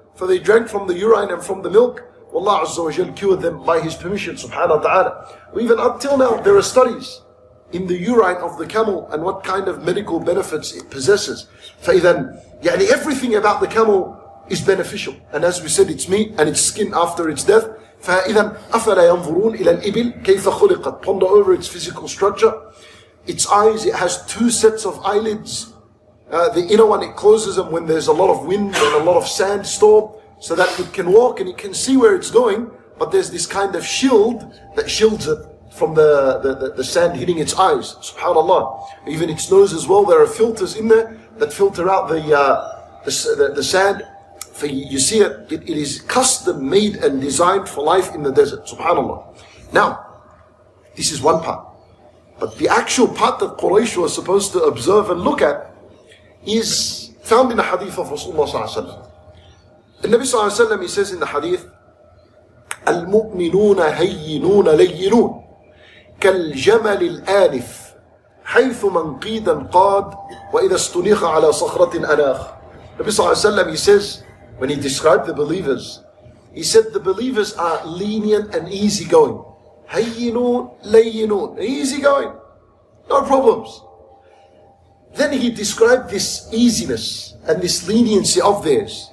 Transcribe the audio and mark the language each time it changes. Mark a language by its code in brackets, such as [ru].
[en] For they drank from the urine and from the milk. Allah Azza wa Jal cured them by His permission, subhanahu wa ta'ala. Even up till now, there are studies in the urine of the camel and what kind of medical benefits it possesses. فإذن, يعني everything about the camel is beneficial. And as we said, its meat and its skin after its death. [ar] فإذن, أفلا ينظرون إلى الإبل كيف خلقت. [en] Ponder over its physical structure. Its eyes, it has two sets of eyelids. The inner one, it closes them when there's a lot of wind and a lot of sandstorm, so that it can walk and it can see where it's going. But there's this kind of shield that shields it from the sand hitting its eyes. Subhanallah. Even its nose as well, there are filters in there that filter out the sand. For you see it, it is custom made and designed for life in the desert. Subhanallah. Now, this is one part. But the actual part that Quraysh was supposed to observe and look at is found in the hadith of Rasulullah sallallahu alayhi wa sallam. In Nabi sallallahu alayhi wa sallam, he says in the hadith, [ar] المؤمنون هينون لينون كالجمل الآنف حيث منقيدا قاد وإذا استنيخ على صخرة أناخ. [en] Nabi sallallahu alayhi wa sallam, he says, when he described the believers, he said the believers are lenient and easy going. [ar] هينون لينون, [en] easy going, no problems. Then he described this easiness and this leniency of theirs.